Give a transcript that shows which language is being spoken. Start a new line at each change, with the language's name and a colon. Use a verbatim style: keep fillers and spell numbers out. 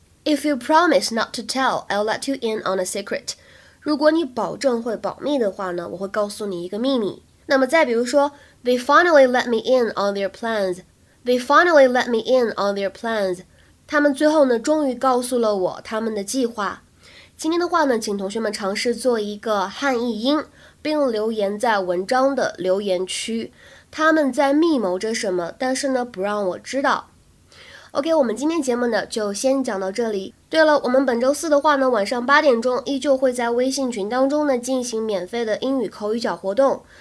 English: If you promise not to tell, I'll let you in on a secret.
Chinese: 如果你保证会保密的话呢，我会告诉你一个秘密。那么再比如说
English: They finally let me in on their plans. They finally let me in on their plans.
Chinese: 他们最后呢终于告诉了我他们的计划。今天的话呢，请同学们尝试做一个汉译英，并留言在文章的留言区，他们在密谋着什么，但是呢不让我知道。 OK， 我们今天节目呢就先讲到这里。对了，我们本周四的话呢，晚上八点钟依旧会在微信群当中呢进行免费的英语口语角活动。